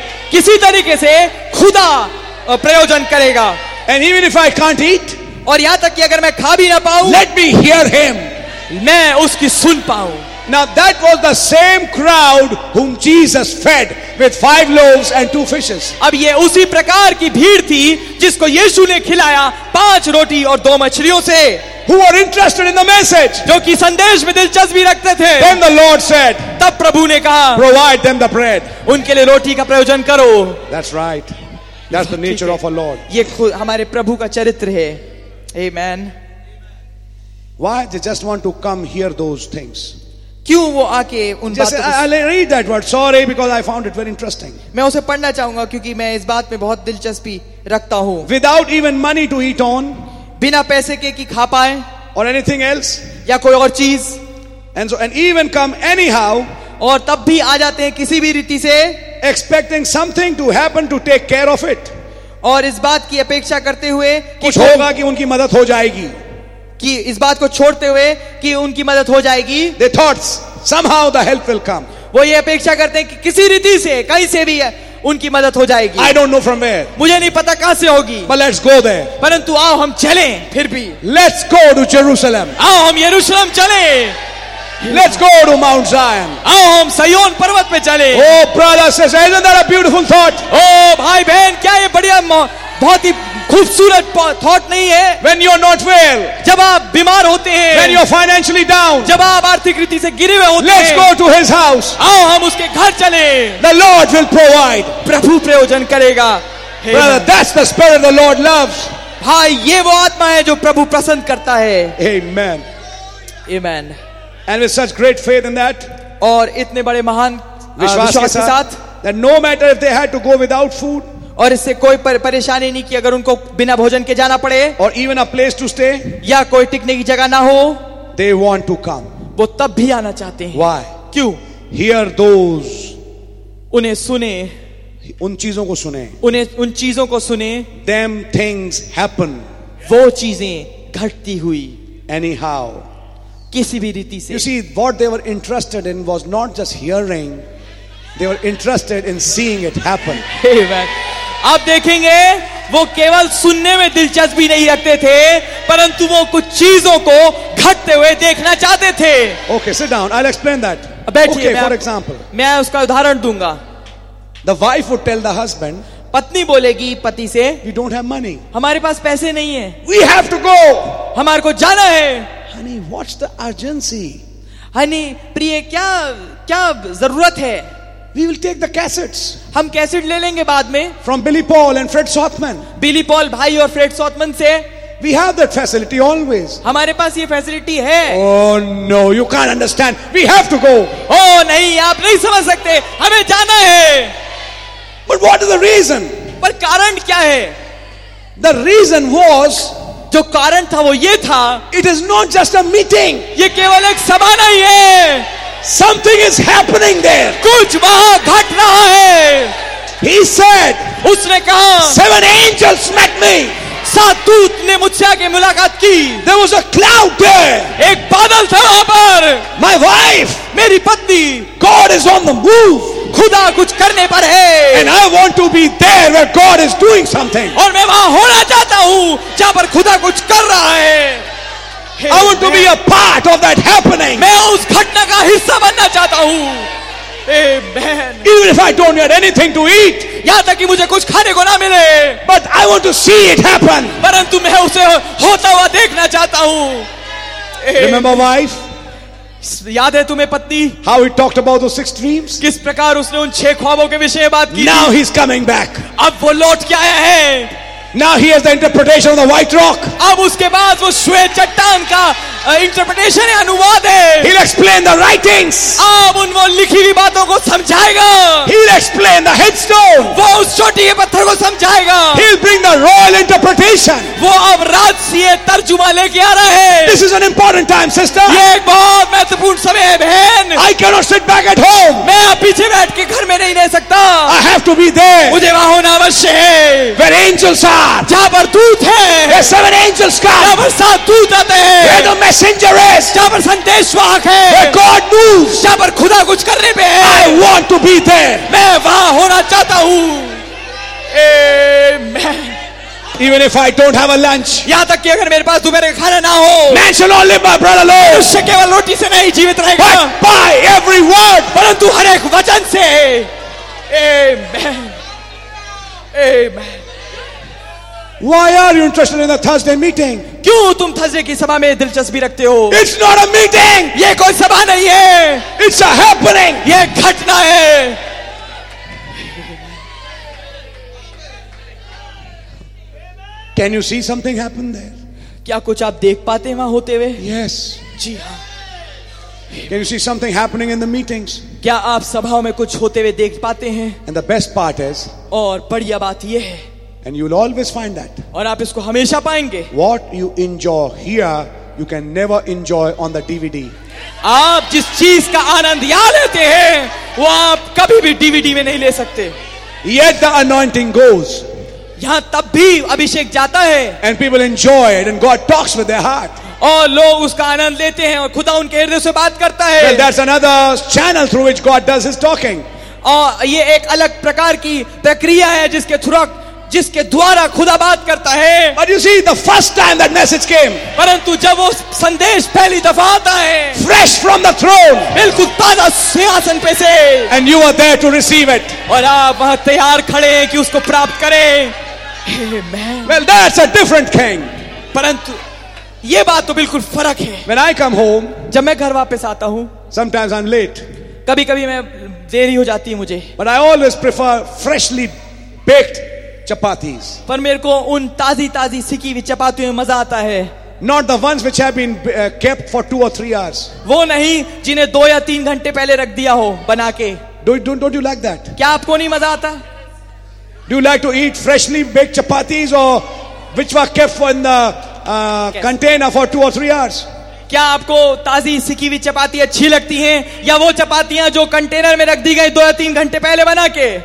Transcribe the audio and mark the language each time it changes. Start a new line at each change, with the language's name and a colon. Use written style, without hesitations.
Hindi: किसी तरीके से खुदा प्रयोजन करेगा.
English: And even if I can't eat,
Hindi: और यहां तक कि अगर मैं खा भी ना पाऊं,
English: let me hear him.
Hindi: मैं उसकी सुन पाऊं.
English: Now that was the same crowd whom Jesus fed with 5 loaves and 2 fishes.
Hindi: अब ये उसी प्रकार की भीड़ थी जिसको यीशु ने खिलाया 5 रोटी और 2 मछलियों से.
English: Who were interested in the message?
Hindi: जो कि संदेश में दिलचस्पी रखते थे.
English: Then the Lord said.
Hindi: तब प्रभु ने कहा.
English: Provide them the bread.
Hindi: उनके लिए रोटी का प्रयोजन करो.
English: That's right. That's the nature of our Lord.
Hindi: ये खुद हमारे प्रभु का चरित्र है.
English: Amen. Why they just want to come hear those things?
Hindi: क्यों वो आके उन बातों मैं उसे पढ़ना चाहूंगा क्योंकि मैं इस बात में बहुत दिलचस्पी रखता हूँ.
English: without even money to eat on,
Hindi: बिना पैसे के कि खा पाए,
English: और anything else,
Hindi: या कोई और चीज.
English: and so and even come anyhow,
Hindi: और तब भी आ जाते हैं किसी भी रीति से,
English: expecting something to happen to take care of it,
Hindi: और इस बात की अपेक्षा करते हुए कुछ होगा कि उनकी मदद हो जाएगी, कि इस बात को छोड़ते हुए कि उनकी मदद हो जाएगी.
English: They thought somehow the help will come.
Hindi: वो ये अपेक्षा करते हैं कि किसी रीति से कहीं से भी उनकी मदद हो जाएगी.
English: I don't know from where.
Hindi: मुझे नहीं पता कहां से होगी.
English: But let's go there.
Hindi: परंतु आओ हम चलें फिर भी.
English: Let's go to Jerusalem.
Hindi: आओ हम यरूशलेम चलें.
English: Let's go to Mount Zion.
Hindi: आओ हम सायोन पर्वत पे चलें.
English: Oh brothers, isn't that a beautiful thought?
Hindi: Oh भाई बहन, क्या ये बढ़िया बहुत ही खूबसूरत थॉट नहीं है?
English: When you're not well,
Hindi: जब आप बीमार होते हैं.
English: When you're financially down,
Hindi: जब आप आर्थिक रीति से गिरे हुए होते
English: हैं. Let's go to his house,
Hindi: आओ हम उसके घर चलें.
English: The Lord will provide,
Hindi: प्रभु प्रयोजन करेगा.
English: Brother, that's the spirit the Lord loves.
Hindi: भाई ये वो आत्मा है जो प्रभु पसंद करता है.
English: Amen. Amen. And with such great faith in that,
Hindi: और इतने बड़े महान विश्वास के साथ,
English: that no matter if they had to go without food,
Hindi: और इससे कोई परेशानी नहीं कि अगर उनको बिना भोजन के जाना पड़े,
English: or even a place to stay,
Hindi: या कोई टिकने की जगह ना हो,
English: they want to come.
Hindi: वो तब भी आना चाहते हैं.
English: Why?
Hindi: क्यों?
English: Hear those.
Hindi: उन्हें सुने. उन चीजों को सुने. उन्हें उन चीजों को सुने.
English: Them things happen.
Hindi: वो चीजें घटती हुई.
English: Anyhow.
Hindi: किसी भी रीति से.
English: You see, what they were interested in was not just hearing. They were interested in seeing it happen. Amen.
Hindi: आप देखेंगे वो केवल सुनने में दिलचस्पी नहीं रखते थे परंतु वो कुछ चीजों को घटते हुए देखना चाहते थे.
English: Okay, sit down. I'll explain that.
Hindi: बैठिए.
English: Okay, for example.
Hindi: मैं उसका उदाहरण दूंगा.
English: The wife would tell the husband.
Hindi: पत्नी बोलेगी पति से.
English: We don't have money.
Hindi: हमारे पास पैसे नहीं है.
English: We have to go.
Hindi: हमारे को जाना है.
English: Honey, what's the urgency?
Hindi: Honey प्रिय क्या क्या जरूरत है?
English: We will take the cassettes.
Hindi: हम कैसेट ले लेंगे बाद में.
English: From Billy Paul and Fred Sautman.
Hindi: Billy Paul भाई और Fred Sautman से.
English: We have that facility always.
Hindi: हमारे पास ये facility है.
English: Oh no, you can't understand. We have to go.
Hindi: Oh नहीं आप नहीं समझ सकते. हमें जाना है.
English: But what is the reason?
Hindi: पर कारण क्या है?
English: The reason was.
Hindi: जो कारण था वो ये था.
English: It is not just a meeting.
Hindi: ये केवल एक सभा नहीं है.
English: Something is happening there.
Hindi: कुछ वहां घट रहा है.
English: He said.
Hindi: उसने कहा.
English: Seven angels met me.
Hindi: सात दूत ने मुझसे आके मुलाकात की.
English: There was a cloud there.
Hindi: एक बादल था वहां पर.
English: My wife.
Hindi: मेरी पत्नी.
English: God is on the move.
Hindi: खुदा कुछ करने पर है.
English: And I want to be there where God is doing something.
Hindi: और मैं वहां होना चाहता हूं जहां पर खुदा कुछ कर रहा है.
English: I want to be a part of that happening.
Hindi: मैं उस घटना का हिस्सा बनना चाहता हूं.
English: Amen. Even if I don't get anything to eat,
Hindi: यहां तक कि मुझे कुछ खाने को ना मिले,
English: but I want to see it happen.
Hindi: परंतु मैं उसे होता हुआ देखना चाहता हूं.
English: Remember wife?
Hindi: याद है तुम्हें पत्नी?
English: How he talked about those six dreams?
Hindi: किस प्रकार उसने उन छह ख्वाबों के विषय में बात की?
English: Now he's coming back.
Hindi: अब वो लौट के आया है.
English: Now he has the interpretation of the white rock.
Hindi: अब उसके पास वो श्वेत चट्टान का इंटरप्रिटेशन है, अनुवाद है.
English: He'll explain the writings.
Hindi: अब उन वो लिखी हुई बातों को समझाएगा.
English: He'll explain the headstone.
Hindi: वो उस छोटी पत्थर को समझाएगा.
English: He'll bring the royal interpretation.
Hindi: वो अब राजसीय तर्जुमा लेके आ रहा है.
English: This is an important time, sister.
Hindi: ये एक बहुत महत्वपूर्ण समय है बहन.
English: I cannot sit back at home.
Hindi: मैं पीछे बैठ के घर में नहीं रह सकता.
English: I have to be there.
Hindi: मुझे वहां होना अवश्य है.
English: Where angels are.
Hindi: जहां पर दूत है.
English: Where seven angels come.
Hindi: जहां पर सात दूत आते हैं.
English: Messenger is.
Hindi: जहां पर संदेश वाहक है.
English: Where God moves.
Hindi: जहां पर खुदा कुछ करने पे है.
English: I want to be there.
Hindi: मैं वहां होना चाहता हूं. Amen.
English: Even if I don't have a lunch.
Hindi: यहां तक कि अगर मेरे पास दोपहर का खाना ना हो.
English: Man shall not live by bread alone.
Hindi: मनुष्य केवल रोटी से नहीं जीवित रहेगा.
English: But by every word.
Hindi: परंतु हर एक वचन से. Amen. Amen.
English: Why are you interested in the Thursday meeting?
Hindi: क्यों तुम थर्सडे की सभा में दिलचस्पी रखते हो?
English: It's not a meeting.
Hindi: ये कोई सभा नहीं है.
English: It's a happening.
Hindi: ये घटना है.
English: Can you see something happen there?
Hindi: क्या कुछ आप देख पाते हैं वहां होते हुए?
English: Yes.
Hindi: जी हाँ.
English: Can you see something happening in the meetings?
Hindi: क्या आप सभाओं में कुछ होते हुए देख पाते हैं?
English: And the best part is.
Hindi: और बढ़िया बात ये है.
English: And you'll always find that.
Hindi: और आप इसको हमेशा पाएंगे.
English: What you enjoy here, you can never enjoy on the DVD.
Hindi: आप जिस चीज का आनंद यहाँ लेते हैं, वो आप कभी भी DVD में नहीं ले सकते.
English: Yet the anointing goes.
Hindi: यहाँ तब भी अभिषेक जाता है.
English: And people enjoy it, and God talks with their heart.
Hindi: और लोग उसका आनंद लेते हैं और खुदा उनके हृदय से बात करता है.
English: Well, that's another channel through which God does His talking.
Hindi: और ये एक अलग प्रकार की प्रक्रिया है जिसके थ्रू जिसके द्वारा खुदा बात करता है.
English: But you see, the first time that message came,
Hindi: परंतु जब वो संदेश पहली दफा आता है,
English: fresh from the throne,
Hindi: बिल्कुल ताजा सिंहासन पे से,
English: and you are there to receive it,
Hindi: और आप वहां तैयार खड़े हैं कि उसको प्राप्त करें.
English: Amen. Well, that's a different thing.
Hindi: परंतु ये बात तो बिल्कुल फर्क है.
English: When I come home,
Hindi: जब मैं घर वापस आता हूं,
English: sometimes I'm late,
Hindi: कभी कभी मैं देरी हो जाती है मुझे,
English: but I always prefer freshly baked. Chapatis.
Hindi: पर मेरे को उन ताजी ताजी सिकी हुई चपातियों में मजा आता है.
English: Not the ones which have been kept for 2 or 3 hours.
Hindi: वो नहीं जिन्हें 2 या 3 घंटे पहले रख दिया हो बना के.
English: Don't you like that?
Hindi: क्या आपको नहीं मजा आता?
English: Do you like to eat freshly baked chapatis or which were kept for in the container for 2 or 3 hours?
Hindi: क्या आपको ताजी सिकी हुई चपाती अच्छी लगती हैं या वो चपातियां जो कंटेनर में रख दी गई 2 या 3 घंटे पहले बना के?